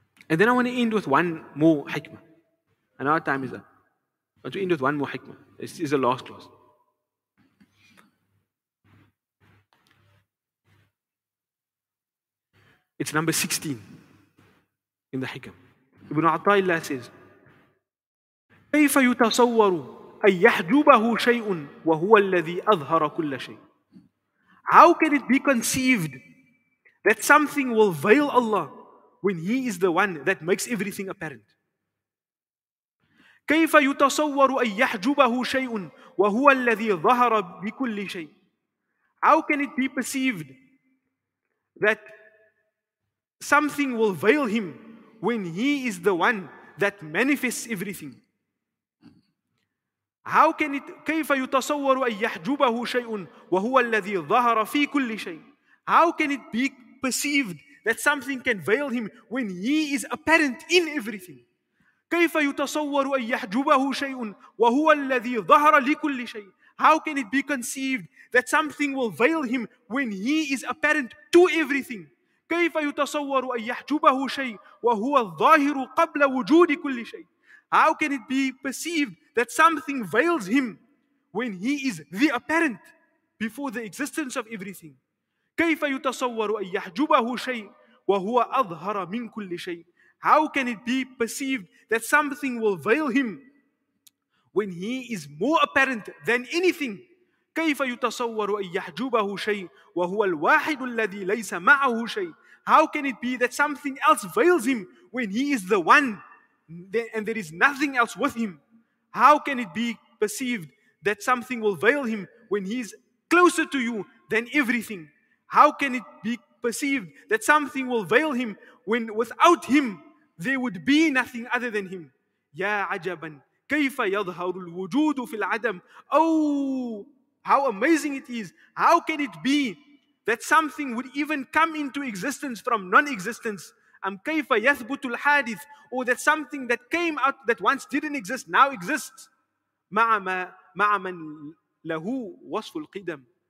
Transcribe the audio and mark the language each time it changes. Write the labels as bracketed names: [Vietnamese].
[English] And then I want to end with one more hikmah. And our time is up. I want to end with one more hikmah. This is the last clause. It's number 16 in the hikmah. Ibn Atayla says, [Arabic] كَيْفَ يُتَصَوَّرُ أَن يَحْجُبَهُ شَيْءٌ وَهُوَ الَّذِي أَظْهَرَ كُلَّ شَيْءٍ. [English] How can it be conceived that something will veil Allah when He is the one that makes everything apparent? [Arabic] كيف يتصور أن يحجبه شيء وهو الذي ظهر بكل شيء? [English] How can it be perceived that something will veil Him when He is the one that manifests everything? How can it, [Arabic] كيف يتصور أن يحجبه شيء وهو الذي ظهر في كل شيء? [English] How can it be perceived that something can veil Him when He is apparent in everything? [Arabic] كيف يتصور أن يحجبه شيء وهو الذي ظهر لكل شيء? [English] How can it be conceived that something will veil Him when He is apparent to everything? [Arabic] كيف يتصور أن يحجبه شيء وهو الظاهر قبل وجود كل شيء? [English] How can it be perceived that something veils Him when He is the apparent before the existence of everything? [Arabic] كيف يتصور أن يحجبه شيء وهو أظهر من كل شيء? [English] How can it be perceived that something will veil Him when He is more apparent than anything? [Arabic] كيف يتصور أن يحجبه شيء وهو الواحد الذي ليس معه شيء. [English] How can it be that something else veils him when he is the one and there is nothing else with him? How can it be perceived that something will veil him when he is closer to you than everything? How can it be perceived that something will veil him when without him there would be nothing other than him? [Arabic] يا عجبا كيف يظهر الوجود في العدم. [English] Oh, how amazing it is. How can it be that something would even come into existence from non-existence? [Arabic] أم كيف يثبت الحادث. [English] Or that something that came out that once didn't exist now exists. [Arabic] مع من له وصف القدم.